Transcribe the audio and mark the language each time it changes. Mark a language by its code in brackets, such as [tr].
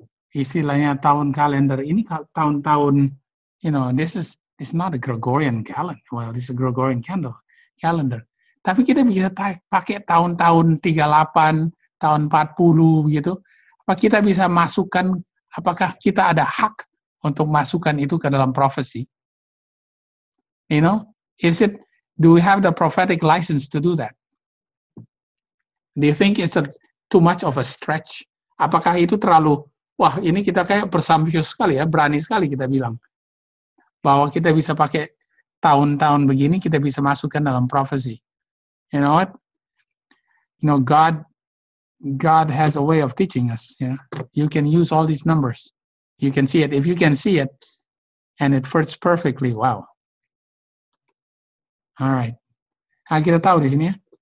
[id] Istilahnya tahun kalender ini tahun-tahun, [en] you know, this is not a Gregorian calendar. Well, this is a Gregorian calendar. [id] Tapi kita bisa pakai tahun-tahun 38, tahun 40 gitu. Apa kita bisa masukkan, apakah kita ada hak untuk masukkan itu ke dalam prophecy? [en] You know, is it, do we have the prophetic license to do that? Do you think it's a, too much of a stretch? [id] Apakah itu terlalu, wah ini kita kayak presumptuous sekali ya, berani sekali kita bilang. Bahwa kita bisa pakai tahun-tahun begini, kita bisa masukkan dalam prophecy. [en] You know what? You know, God has a way of teaching us. You know? You can use all these numbers. You can see it. If you can see it, and it fits perfectly, wow. [id] All right. Ah, kita tahu di sini ya?